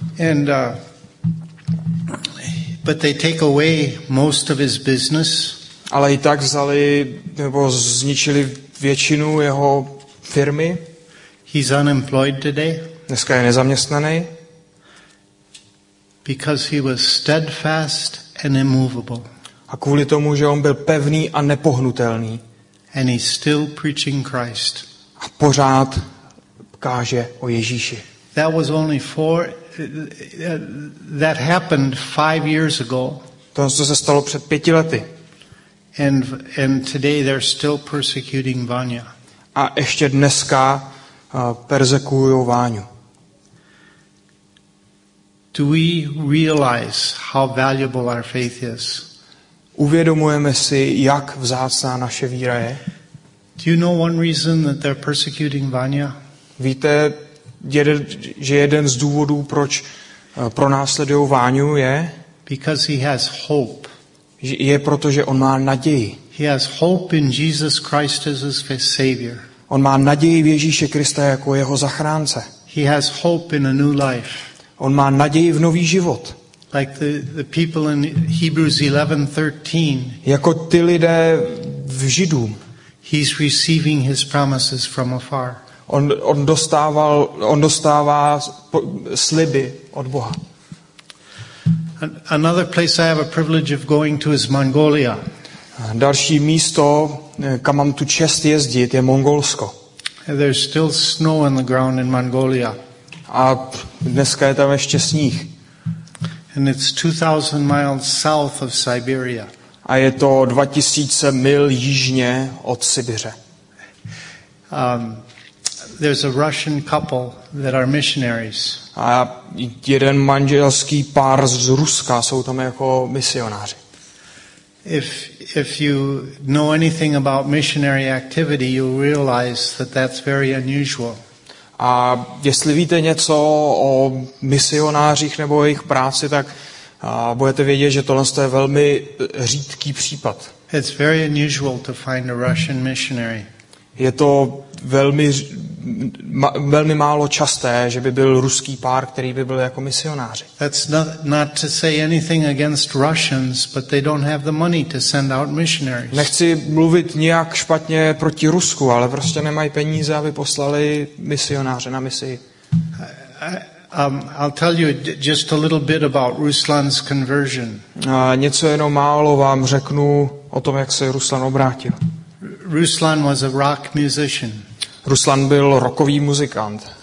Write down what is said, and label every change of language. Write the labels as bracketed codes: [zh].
[en] And but they take away most of his business. [cs] Ale i tak vzali nebo zničili většinu jeho firmy. [en] He's unemployed today. [cs] Dneska je nezaměstnaný. [en] Because he was steadfast and immovable. [cs] A kvůli tomu, že on byl pevný a nepohnutelný. [en] And he's still preaching Christ. [cs] A pořád káže o Ježíši. [en] That was only four. That happened 5 years ago. [cs] To se stalo před 5 lety. [en] And today they're still persecuting Vanya. [cs] A ještě dneska perzekujou Váňu. [en] Do we realize how valuable our faith is? [cs] Uvědomujeme si, jak vzácná naše víra je? [en] Do you know one reason that they're persecuting Vanya? [cs] Víte, že jeden z důvodů, proč pronásledují Váňu, je? [en] Because he has hope. [cs] Je proto, že on má naději. [en] He has hope in Jesus Christ as his savior. [cs] On má naději v Ježíše Krista jako jeho zachránce. [en] He has hope in a new life. [cs] On má naději v nový život. [en] Like the people in Hebrews 11:13. [cs] Jako ty lidé v Židům. [en] He's receiving his promises from afar. [cs] On dostává sliby od Boha. [en] Another place I have a privilege of going to is Mongolia. [cs] Další místo, kam mám tu čest jezdit, je Mongolsko. [en] There's still snow on the ground in Mongolia. [cs] A dneska je tam ještě sníh. [en] And it's 2000 miles south of Siberia. [cs] A je to 2000 mil jižně od Sibiře. [en] There's a Russian couple that are missionaries. [cs] A jeden manželský pár z Ruska jsou tam jako misionáři. [en] If you know anything about missionary activity, you realize that that's very unusual. [cs] A jestli víte něco o misionářích nebo jejich práci, tak budete vědět, že tohle je velmi řídký případ. [en] It's very unusual to find a Russian missionary. [cs] Je to velmi málo časté, že by byl ruský pár, který by byl jako misionáři. [en] That's not to say anything against Russians, but they don't have the money to send out missionaries. [cs] Nechci mluvit nijak špatně proti Rusku, ale prostě nemají peníze, aby poslali misionáře na misi. [en] I'll tell you just a little bit about Ruslan's conversion. [cs] A něco jenom málo vám řeknu o tom, jak se Ruslan obrátil. [en] Ruslan was a rock musician. [cs] Ruslan byl rockový muzikant.